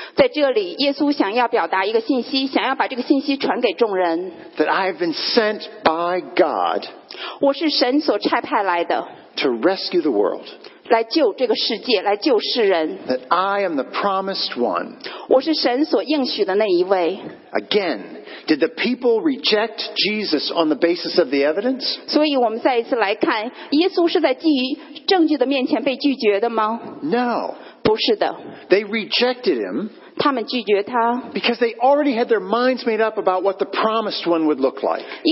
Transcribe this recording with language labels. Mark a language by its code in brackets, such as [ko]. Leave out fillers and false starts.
[zh] 在这里, 耶稣想要表达一个信息, 想要把这个信息传给众人。 [en] That I have been sent by God. [zh] 我是神所差派来的。 [en] To rescue the world. [zh] 来救这个世界, 来救世人。 [en] That I am the promised one. [zh] 我是神所应许的那一位。 [en] Again, did the people reject Jesus on the basis of the evidence? [zh] 所以我们再一次来看, 耶稣是在基于证据的面前被拒绝的吗? [en] No. [zh] 不是的。 [en] They rejected him. [zh] 他们拒绝他, [en] because they already had their minds made up about what the promised one would look like.